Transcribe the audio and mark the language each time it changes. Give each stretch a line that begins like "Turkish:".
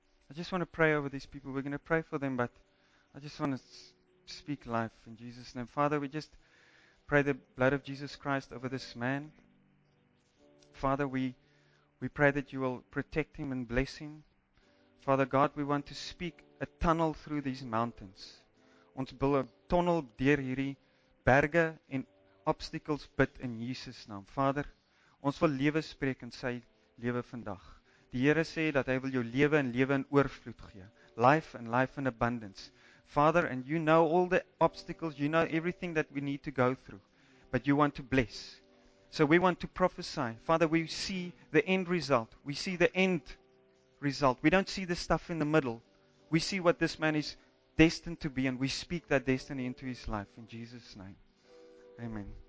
English: I just want to pray over these people. We're going to pray for them, but I just want to speak life in Jesus' name. Father, we just pray the blood of Jesus Christ over this man. Father, we pray that you will protect him and bless him. Father God, we want to speak a tunnel through these mountains.
Afrikaans: Ons bil 'n tunnel deur hierdie berge en obstacles bid in Jesus naam. Vader, ons wil lewe spreek in sy lewe vandag. Die Here sê dat hy wil jou lewe en lewe in oorvloed gee.
English: Life and life in abundance. Father, and you know all the obstacles, you know everything that we need to go through. But you want to bless. So we want to prophesy. Father, we see the end result. We see the end result. We don't see the stuff in the middle. We see what this man is destined to be, and we speak that destiny into his life in Jesus' name. Amen.